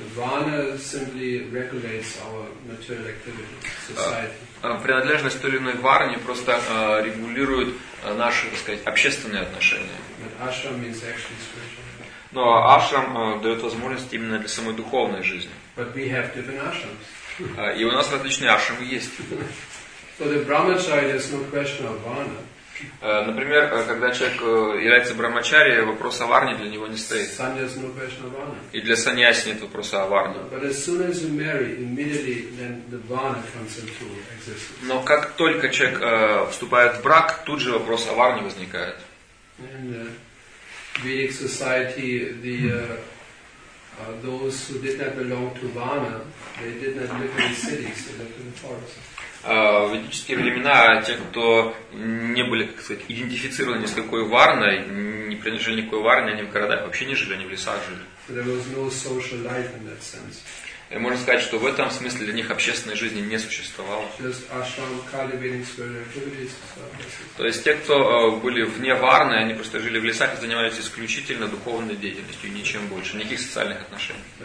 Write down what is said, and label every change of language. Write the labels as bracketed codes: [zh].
[en] Varna simply regulates our material activity, society. [ru] Принадлежность той или иной варне просто регулирует наши, так сказать, общественные отношения. [en] But ashram means actually spiritual life. [ru] Но ашрам дает возможность именно для самой духовной жизни. [en] But we have different ashrams. [ru] И у нас различные ашрамы есть. [en] So the brahmacharya is no question of varna. [ru] Например, когда человек является брахмачари, вопрос о варне для него не стоит. [en] Sannyasi has no question of varna. [ru] И для саньяси нет вопроса о варне. [en] But as soon as you marry, immediately then the varna comes into existence. [ru] Но как только человек вступает в брак, тут же вопрос о варне возникает. [en] In Vedic society, the those who did not belong to varna, they did not live in the cities, they lived in the forests. [ru] В ведические времена те, кто не были, как сказать, идентифицированы ни с какой варной, не принадлежали никакой варне, они в городах вообще не жили, они в лесах жили. [en] There was no social life in that sense. [ru] И можно сказать, что в этом смысле для них общественной жизни не существовало. [en] Just ashram cultivating spiritual activities, so. [ru] То есть те, кто были вне варны, они просто жили в лесах и занимались исключительно духовной деятельностью и ничем больше, никаких социальных отношений.